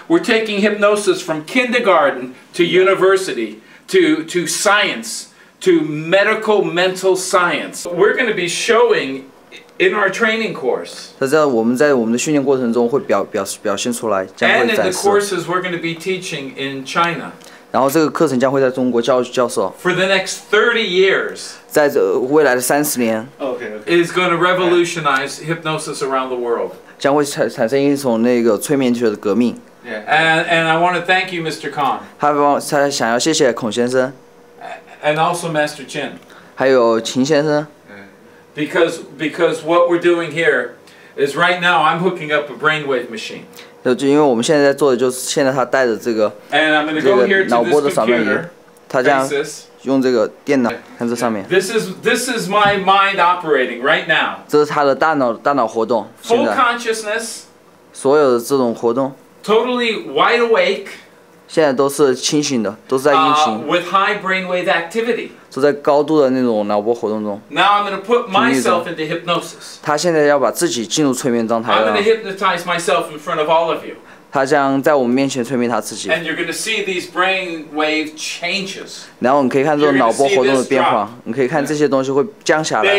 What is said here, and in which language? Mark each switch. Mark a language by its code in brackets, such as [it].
[en] We're taking hypnosis from kindergarten to university, to science, to medical mental science. We're going to be showing in our training course. And in the courses we're going to be teaching in China. [zh] 然后这个课程将会在中国教授 [en] For the next 30 years, [zh] 在未来的30年 [en] okay. is going to revolutionize hypnosis around the world. [zh] 将会产生一种那个催眠学的革命 [en] And I want to thank you, Mr. Kong. [zh] 他想要谢谢孔先生 [en] And also Master Chin. [zh] 还有秦先生 [en] Because what we're doing here, is right now I'm hooking up a brainwave machine. [zh] 就因为我们现在在做的就是现在他带着这个 [en] and I'm gonna go here to this [zh] 脑波的扫描仪 [en] computer, [zh] 他这样用这个电脑看这上面 [en] This is my mind operating right now. [zh] 这是他的大脑活动 [en] Full consciousness. [zh] 所有的这种活动 [en] Totally wide awake. [zh] 现在都是清醒的都是在运行 [en] With high brainwave activity. [zh] 都在高度的那种脑波活动中 [en] Now I'm gonna put myself into hypnosis. [zh] 他现在要把自己进入催眠状态了 [en] I'm gonna hypnotize myself in front of all of you. [zh] 他将在我们面前催眠他自己。 [en] And you're going to see these brain wave changes. [zh] 然后你可以看这种脑波活动的变化。你可以看这些东西会降下来。